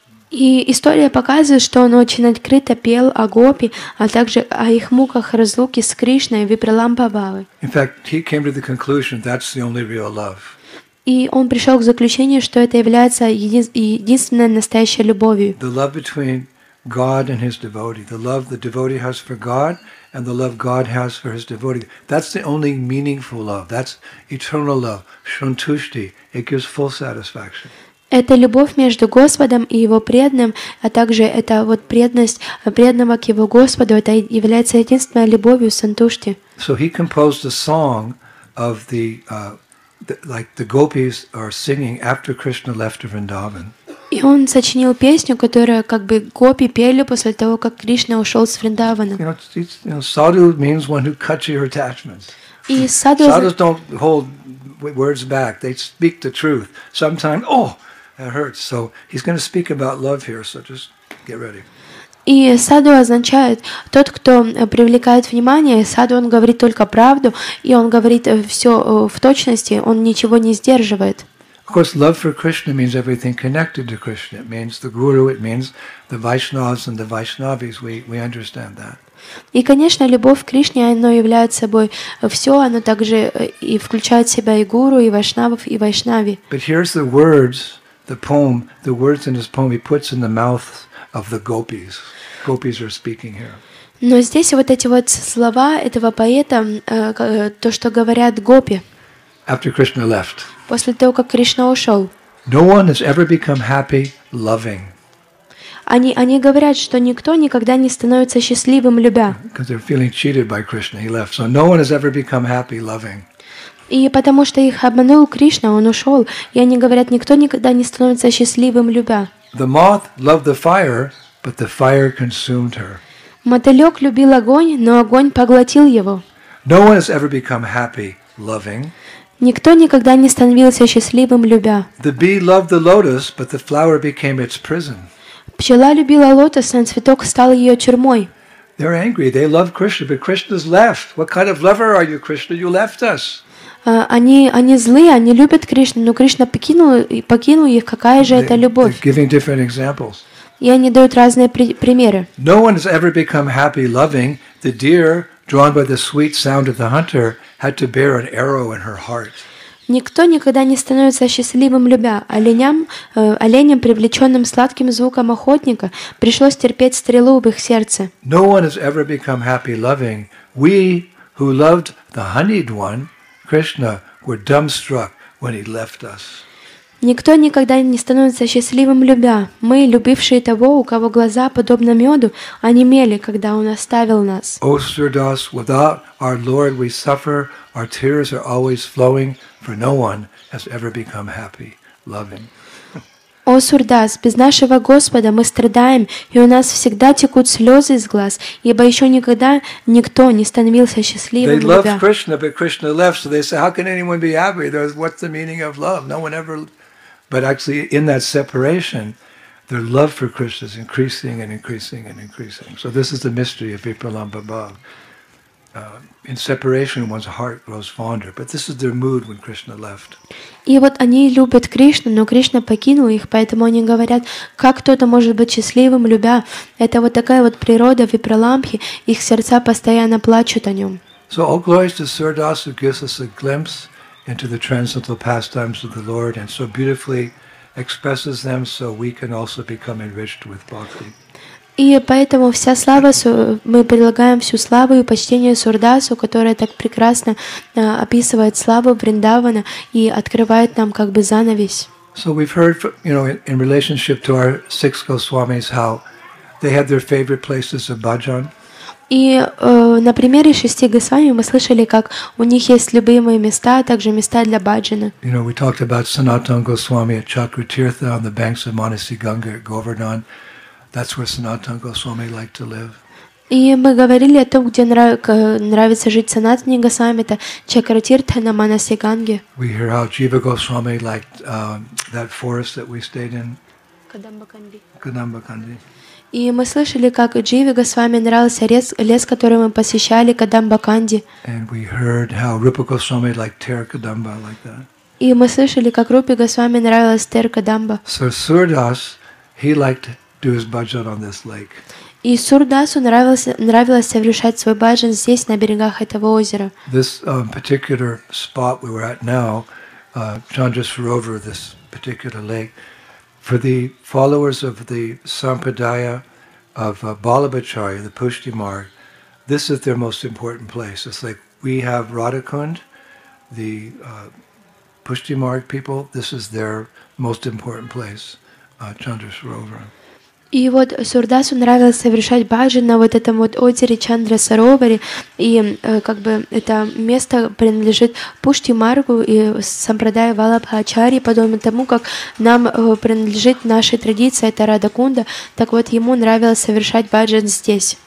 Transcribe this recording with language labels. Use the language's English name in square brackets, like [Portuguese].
[Russian] И история показывает, что он очень открыто пел о гопи, а также о их муках разлуки с Кришной, Випраламба Бхавы. [English] In fact, he came to the conclusion that's the only real love. [Russian] И он пришел к заключению, что это является единственной настоящей любовью. [English] The love between God and his devotee, the love the devotee has for God and the love God has for his devotee. That's the only meaningful love. That's eternal love. Shantushti. It gives full satisfaction. [Russian] Это любовь между Господом и его преданным, а также это вот преданность преданного к его Господу. Это является единственной любовью, Сантушти. [English] So he composed a song of the, like the gopis are singing after Krishna left Vrindavan. [Russian] И он сочинил песню, которую как бы гопи пели после того, как Кришна ушел с Вриндавана. [English] You know, sadhu means one who cuts your attachments. [Russian] И sadhu... [English] Sadhus don't hold words back. They speak the truth. Sometimes, oh, it hurts. So he's going to speak about love here, so just get ready. [Russian] И sadhu означает тот, кто привлекает внимание. Sadhu, он говорит только правду, и он говорит все в точности, он ничего не сдерживает. [English] Of course, love for Krishna means everything connected to Krishna. It means the Guru, it means the Vaishnavas and the Vaishnavis. We understand that. [Russian] И, конечно, любовь к Кришне, оно является собой все, оно также и включает в себя и Гуру, и Вайшнавов, и Вайшнави. [English] But here's the words, the poem, the words in his poem he puts in the mouth of the gopis. Gopis are speaking here. [Russian] Но здесь вот эти вот слова этого поэта, то, что говорят гопи. [English] After Krishna left. [Russian] После того, как Кришна ушел. [English] No one has ever become happy loving. [Russian] Они говорят, что никто никогда не становится счастливым любя. [English] Because they're feeling cheated by Krishna, he left. So no one has ever become happy loving. [Russian] И потому что их обманул Кришна, он ушел. И они говорят, никто никогда не становится счастливым, любя. [English] The moth loved the fire, but the fire consumed her. [Russian] Мотылек любил огонь, но огонь поглотил его. [English] No one has ever become happy loving. [Russian] Никто никогда не становился счастливым, любя. [English] The bee loved the lotus, but the flower became its prison. [Russian] Пчела любила лотос, а цветок стал ее тюрьмой. [English] They're angry. They love Krishna, but Krishna's left. What kind of lover are you, Krishna? You left us. [Russian] Они злые, они любят Кришну, но Кришна покинул их. Какая же это любовь? [English] They're giving different examples. [Russian] И они дают разные примеры. [English] No one has ever become happy loving. The deer, drawn by the sweet sound of the hunter, had to bear an arrow in her heart. [Russian] Никто никогда не становится счастливым, любя. Оленям, привлеченным сладким звуком охотника, пришлось терпеть стрелу в их сердце. [English] No one has ever become happy loving. We, who loved the honeyed one, Krishna, were dumbstruck when he left us. [Russian] Никто никогда не становится счастливым, любя. Мы, любившие того, у кого глаза подобны меду, онемели, когда он оставил нас. [English] O Sirdas, without our Lord we suffer, our tears are always flowing, for no one has ever become happy, loving. [Russian] О Сурдас, без нашего Господа мы страдаем, и у нас всегда текут слезы из глаз, ибо еще никогда никто не становился счастливым, любя. [English] They loved Krishna, but Krishna left, so they say, how can anyone be happy? What's the meaning of love? No one ever... But actually, in that separation, their love for Krishna is increasing and increasing and increasing. So this is the mystery of Vipralamba Bhav. In separation, one's heart grows fonder. But this is their mood when Krishna left. [Russian] И вот они любят Кришну, но Кришна покинул их, поэтому они говорят, как кто-то может быть счастливым, любя? Это вот такая вот природа Випраламбхи, их сердца постоянно плачут о нем. [English] So all glories to Sirdas, who gives us a glimpse into the transcendental pastimes of the Lord and so beautifully expresses them so we can also become enriched with bhakti. [Russian] И поэтому вся слава, мы предлагаем всю славу и почтение Сурдасу, которая так прекрасно описывает славу Вриндавана и открывает нам как бы занавес. [English] So we've heard, you know, in relationship to our six Госвамис, how they had their favorite places of bhajan. [Russian] И на примере шести Госвами мы слышали, как у них есть любимые места, а также места для баджана. [English] You know, we talked about Sanatan Goswami at Chakratirtha on the banks of Manasi Ganga at Govardhan. That's where Sanatan Goswami liked to live. [Russian] И мы говорили о том, где нравится жить Санатани Госвами, это Чакратирта на Манаси Ганге. [English] We hear how Jiva Goswami liked that forest that we stayed in. [Russian] Кадамбаканди. И мы слышали, как Дживи Госвами нравился лес, который мы посещали, Кадамбаканди. [English] And we heard how Rupa Goswami liked Terkadamba like that. [Russian] И мы слышали, как Рупи Госвами нравилось Теркадамба. [English] So Surdas, he liked to do his bhajan on this lake. [Russian] И Сурдасу нравилось совершать свой баджан здесь, на берегах этого озера. [English] This particular spot we were at now, Chandrasarovar, this particular lake. For the followers of the Sampradaya of Balabhacharya, the Pushti Marg, this is their most important place. It's like we have Radhakund, the Pushti Marg people, this is their most important place, Chandrasarovar. [Russian] И вот Сурдасу нравилось совершать баджан на вот этом вот озере Чандрасаровари, и как бы это место принадлежит Пушти Маргу и Сампрадая Валабхачари, подобно тому, как нам принадлежит наша традиция, это Радакунда, так вот ему нравилось совершать баджан здесь.